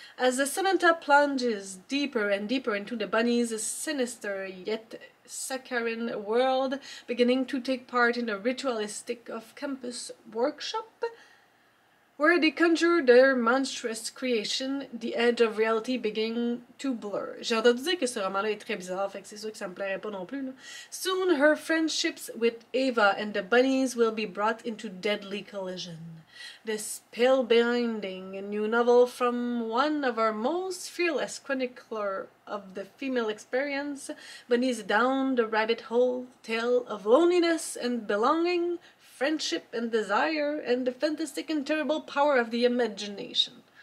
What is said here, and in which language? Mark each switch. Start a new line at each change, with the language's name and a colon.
English: As Samantha plunges deeper and deeper into the bunny's sinister yet saccharine world, beginning to take part in a ritualistic off-campus workshop, where they conjure their monstrous creation, the edge of reality begins to blur.
French: J'ai entendu dire que ce roman-là est très bizarre, fait que c'est sûr que ça me plairait pas non plus. Là.
English: Soon, her friendships with Ava and the bunnies will be brought into deadly collision. This spellbinding new novel from one of our most fearless chroniclers of the female experience, Bunny's Down the Rabbit Hole, tale of loneliness and belonging, friendship and desire, and the fantastic and terrible power of the imagination.